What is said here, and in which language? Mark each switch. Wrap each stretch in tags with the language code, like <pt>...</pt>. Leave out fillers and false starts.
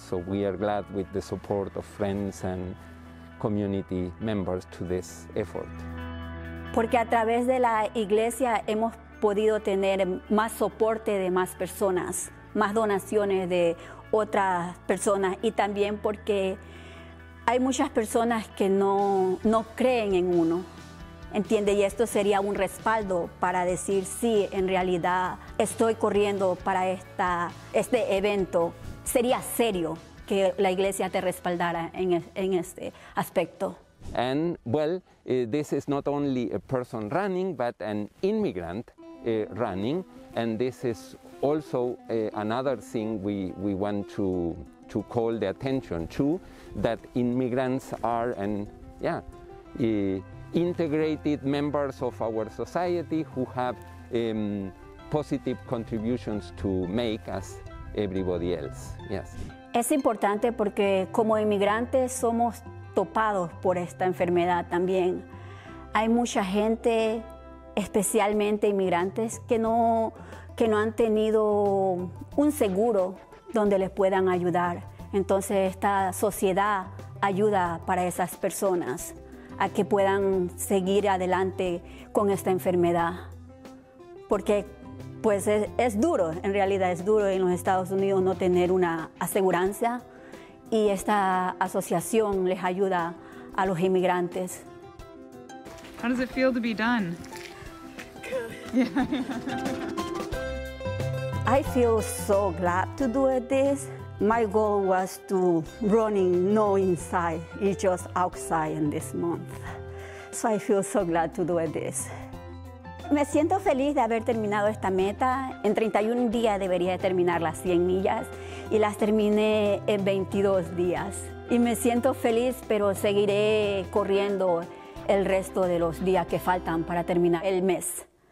<en>So we are glad with the support of friends and community members to this effort.</en> <es>Porque a través de la iglesia hemos podido tener más soporte de más personas, más donaciones de otras personas y también porque hay muchas personas que no creen en uno, ¿entiende? Y esto sería un respaldo para decir sí, en realidad estoy corriendo para este evento. Sería serio que la iglesia te respaldara en este aspecto.</es> <en>And well, this is not only a person running, but an immigrant running, and this is also another thing we want to call the attention to, that immigrants are integrated members of our society who have positive contributions to make as everybody else. Yes.</en> <es>Es importante porque como inmigrantes somos topados por esta enfermedad también. Hay mucha gente, especialmente inmigrantes, que no han tenido un seguro donde les puedan ayudar. Entonces esta sociedad ayuda para esas personas a que puedan seguir adelante con esta enfermedad. Porque pues es duro, en realidad es duro en los Estados Unidos no tener una aseguranza y esta asociación les ayuda a los inmigrantes.</es> <en>How does it feel to be done? Yeah. I feel so glad to do this. My goal was to running no inside, it's just outside in this month. So I feel so glad to do this.</en> <es>Me siento feliz de haber terminado esta meta. En 31 días debería terminar las 100 millas y las terminé en 22 días. Y me siento feliz, pero seguiré corriendo el resto de los días que faltan para terminar el mes.</es>